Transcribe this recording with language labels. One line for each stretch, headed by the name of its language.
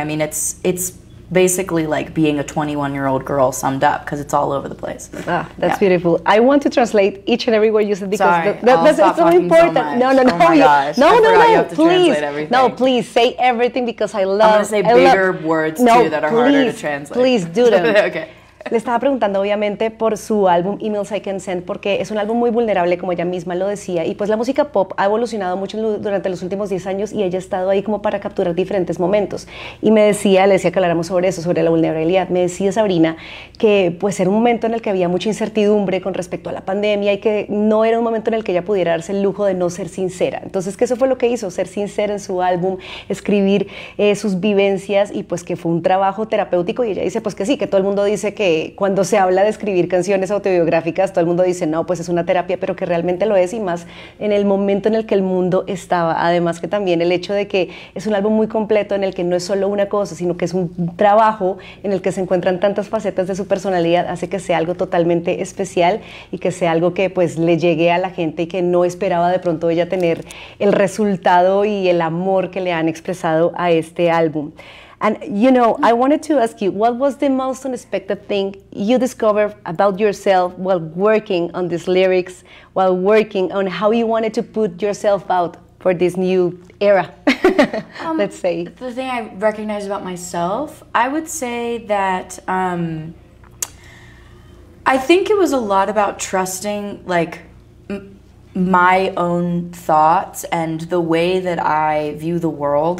English: I mean, it's basically like being a 21-year-old girl summed up, because it's all over the place. Ah, that's beautiful. I want to translate each and every word you said, because that's so important. So no. Oh my gosh. No. You have to please. No, please say everything, because I love. I'm gonna say bigger words too that are please, harder to translate. Please do them. Okay.
Spanish: Le estaba preguntando, obviamente, por su álbum Emails I Can Send, porque es un álbum muy vulnerable, como ella misma lo decía, y pues la música pop ha evolucionado mucho durante los últimos 10 años y ella ha estado ahí como para capturar diferentes momentos. Y me decía, le decía que habláramos sobre eso, sobre la vulnerabilidad, me decía Sabrina que pues era un momento en el que había mucha incertidumbre con respecto a la pandemia y que no era un momento en el que ella pudiera darse el lujo de no ser sincera. Entonces, que eso fue lo que hizo, ser sincera en su álbum, escribir sus vivencias, y pues que fue un trabajo terapéutico. Y ella dice pues que sí, que todo el mundo dice que cuando se habla de escribir canciones autobiográficas, todo el mundo dice, no, pues es una terapia, pero que realmente lo es, y más en el momento en el que el mundo estaba. Además, que también el hecho de que es un álbum muy completo, en el que no es solo una cosa, sino que es un trabajo en el que se encuentran tantas facetas de su personalidad, hace que sea algo totalmente especial y que sea algo que pues le llegue a la gente y que no esperaba de pronto ella tener el resultado y el amor que le han expresado a este álbum.
English: And, you know, I wanted to ask you, what was the most unexpected thing you discovered about yourself while working on these lyrics, while working on how you wanted to put yourself out for this new era, let's say? The thing I recognized about myself, I would say that I think it was a lot about trusting, like, my own thoughts and the way that I view the world.